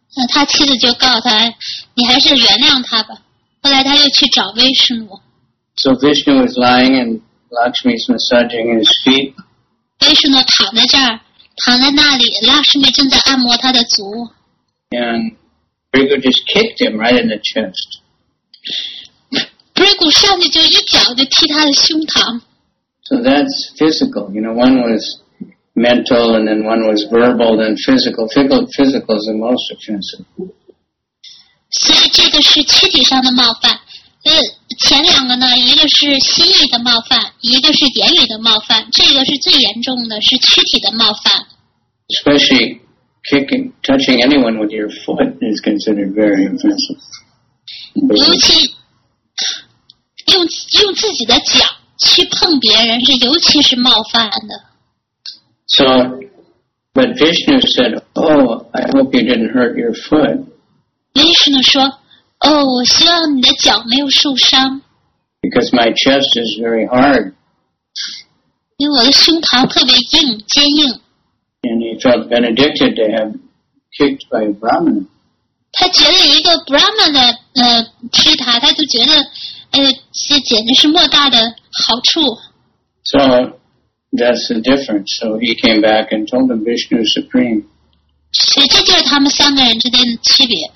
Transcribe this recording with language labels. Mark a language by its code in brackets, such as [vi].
[zh] 他妻子就告诉他，你还是原谅他吧。后来他又去找威师母。 [en] So Vishnu is lying and Lakshmi is massaging his feet. [zh] 威师母躺在这儿，躺在那里 ，Lakshmi 正在按摩他的足。 [en] And Brigu just kicked him right in the chest. [zh] Brigu 上去就一脚就踢他的胸膛。 [en] So that's physical. You know, one was. Mental, and then one was verbal, then physical. Physical is the most offensive. So this is [zh] 躯体上的冒犯。前两个呢，一个是心理的冒犯，一个是言语的冒犯。这个是最严重的，是躯体的冒犯。 [en] Especially kicking, touching anyone with your foot is considered very offensive. [zh] 尤其用自己的脚去碰别人，是尤其是冒犯的。 [en] So, but Vishnu said, "Oh, I hope you didn't hurt your foot." [zh] Vishnu 说，哦，我希望你的脚没有受伤。 [en] Because my chest is very hard. [zh] 因为我的胸膛特别硬，坚硬。 [en] And he felt benedicted to have kicked by a Brahmana. [zh] 他觉得一个 Brahmana 踢他，他就觉得，这简直是莫大的好处。 [en] So. That's the difference. So he came back and told him Vishnu is supreme. [zh] So, 这就是他们三个人之间的区别。